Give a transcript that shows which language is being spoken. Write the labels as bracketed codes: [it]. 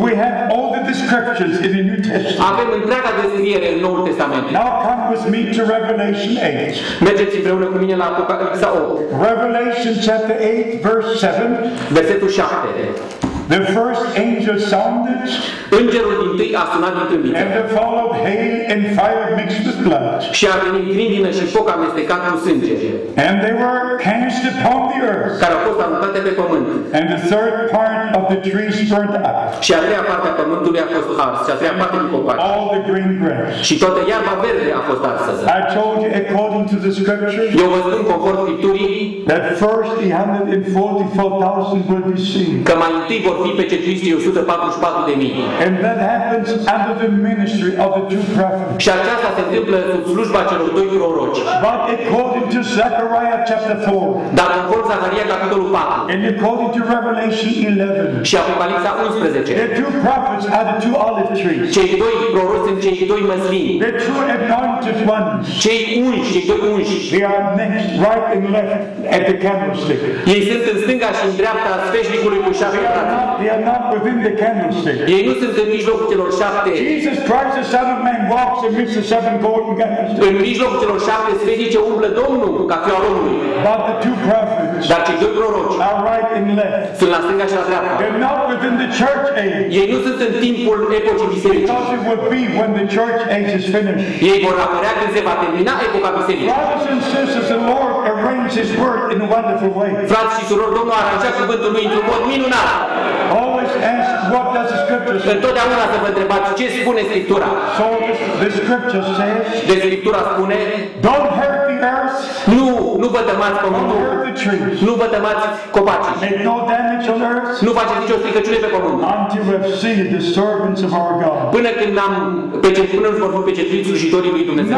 [en] We have all the descriptions in the New Testament. [ro] Avem întreaga descriere în Noul Testament. [en] Now come with me to Revelation 8. [ro] Mergeți împreună cu mine la Apocalipsa 8. [en] Revelation chapter 8 verse 7. [ro] Versetul 7. [en] The first angel sounded. [ro] Îngerul din tâi a sunat din trâmbiță. [en] And there followed hail and fire mixed with blood. [ro] Și a venit grindină și foc amestecat cu sânge. [en] And they were cast upon the earth. [ro] Care au fost aruncate pe pământ. [en] And the third part of the trees burnt up. [ro] Și a treia parte a pământului a fost arsă. Și a treia parte din copaci. [en] All the green grass. [ro] Și toată iarba verde a fost arsă. [en] I told you according to the scriptures. [ro] Eu vă spun conform Scripturii. [en] That first 144,000 will be seen. [ro] Că mai întâi vor fi pecetuiți 144.000. Și aceasta se întâmplă în slujba celor doi proroci. [en] But according to Zechariah chapter 4. [ro] Dar conform Zaharia capitolul 4. [en] And according to Revelation 11. [ro] Și Apocalipsa 11. [en] The two prophets are the two olive trees. [ro] Cei doi proroci sunt cei doi măslini. [en] The two anointed ones. [ro] Cei unși, cei doi unși. [en] They are next, right and left at the candlestick. [ro] Ei sunt în stânga și în dreapta sfeșnicului cu șapte. [en] They are not within the candlestick. [ro] Ei nu sunt în mijlocul celor șapte. [en] Jesus Christ, the Son of Man, walks amidst the seven golden candlesticks. [ro] În mijlocul celor șapte sfeșnice umblă Domnul cu cafeaua Domnului. [en] But the two prophets. [ro] Dar cei doi proroci. [en] Are right and left. [ro] Sunt la stânga și la dreapta. [en] They are not within the church age. [ro] Ei nu sunt în timpul epocii bisericii. [en] Because it will be when the church age is finished. [ro] Ei vor apărea când se va termina epoca bisericii. [en] Brothers and sisters, the Lord arranged His word in a wonderful way. [ro] Frați și surori, Domnul a aranjat cuvântul Lui într-un mod minunat. [en] Always ask what does the scripture say. [ro] Întotdeauna să vă întrebați ce spune Scriptura. [en] So the scripture says. [ro] De Scriptura spune. [en] Don't hurt the earth. [ro] Nu vă temați pământul. [en] Don't hurt the trees. [ro] Nu vă temați copacii. [en] Make no damage on earth. [ro] Nu faceți nicio stricăciune pe pământ. [en] Until we've seen the servants of our God. [ro] Până când n-am pecetuit, vor fi pecetuiți slujitorii lui Dumnezeu.